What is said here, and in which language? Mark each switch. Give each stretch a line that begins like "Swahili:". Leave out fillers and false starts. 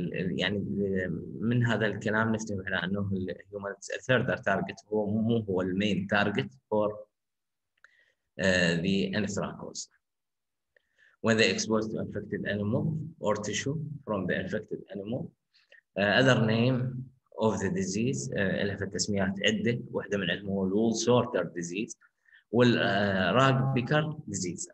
Arabic: يعني من هذا الكلام نفهم على أنه
English: human is a further target،
Arabic: هو مو هو المين تارجت
English: for the anthracos. When they exposed to infected animal or tissue from the infected animal. Other name of the disease
Arabic: اللي في التسميات عدة، واحدة من عندهم هو
English: wool sorter disease وال rag picker disease.